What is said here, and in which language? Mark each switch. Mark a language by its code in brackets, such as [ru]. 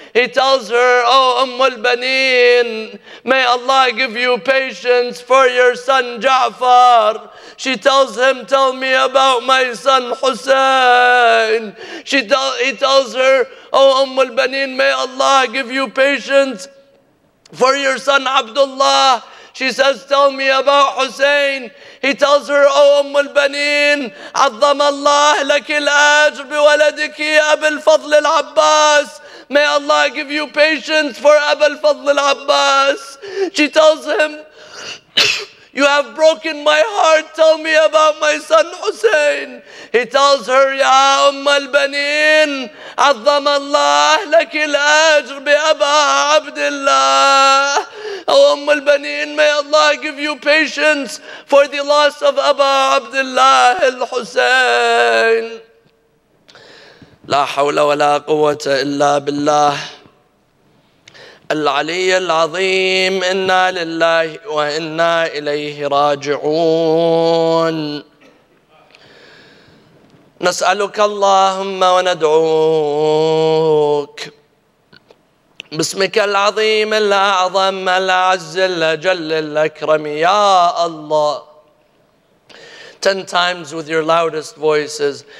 [en] He tells her, oh, Ummul Banin, may Allah give you patience for your son Ja'far. She tells him, tell me about my son Hussein. He tells her, oh, Ummul Banin, may Allah give you patience for your son Abdullah. She says, tell me about Hussein. He tells her, O [ar] Ummul Banin, عظم الله لك الأجر بولدك أبي الفضل العباس. [en] May Allah give you patience for أبي الفضل العباس. She tells him, you have broken my heart. Tell me about my son Hussein. He tells her, [ar] يا أم البنين, عظم الله لك الأجر بأبا عبد الله. [en] O Umm al-Banin, may Allah give you patience for the loss of Aba Abdullah al-Hussein. [ar] La hawla wa la quwwata illa billah. Al-Ali al-Azim, inna lillahi wa inna ilayhi raji'oon. Nas'aluka Allahumma wa nad'uuk. بسمك العظيم الأعظم الأعز الأجل الأكرم يا الله. [en] 10 times with your loudest voices.